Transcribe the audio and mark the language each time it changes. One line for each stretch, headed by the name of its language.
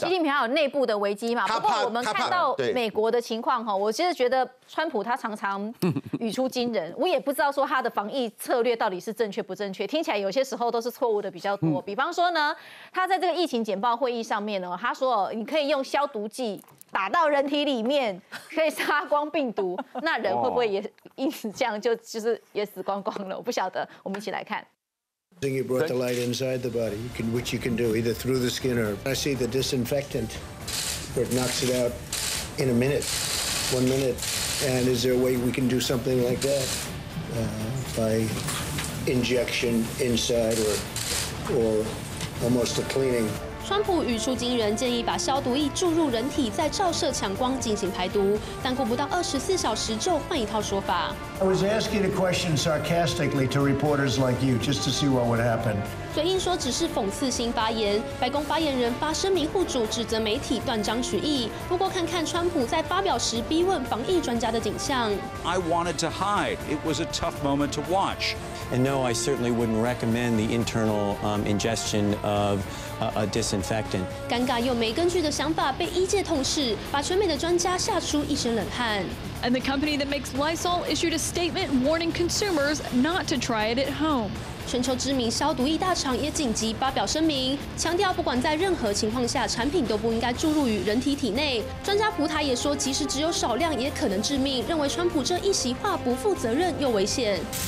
Chinese: 所以习近平还有内部的危机嘛？不过我们看到美国的情况，我其实觉得川普他常常语出惊人，我也不知道说他的防疫策略到底是正确不正确，听起来有些时候都是错误的比较多。比方说呢，他在这个疫情简报会议上面呢，他说你可以用消毒剂打到人体里面，可以杀光病毒，那人会不会也因此这样就是也死光光了？我不晓得，我们一起来看。
English: You brought the light inside the body, which you can do either through the skin or I see the disinfectant, where it knocks it out in a minute, 1 minute. And is there a way we can do something like that by injection inside or almost a cleaning?
Chinese: 川普语出惊人，建议把消毒液注入人体，再照射强光进行排毒，但过不到24小时就换一套说法。
English: I was asking a question sarcastically to reporters like you just to see what would happen。
Chinese: 嘴硬说只是讽刺性发言，白宫发言人发声明护主，指责媒体断章取义。不过看看川普在发表时逼问防疫专家的景象。
English: I wanted to hide. It was a tough moment to watch. And no, I certainly wouldn't recommend the internal ingestion of. A disinfectant.
Chinese: 尴尬又没根据的想法被医界痛斥，把全美的专家吓出一身冷汗。
English: And the company that makes Lysol issued a statement warning consumers not to try it at home.
Chinese: 全球知名消毒液大厂也紧急发表声明，强调不管在任何情况下，产品都不应该注入于人体体内。专家蒲台也说，即使只有少量，也可能致命。认为川普这一席话不负责任又危险。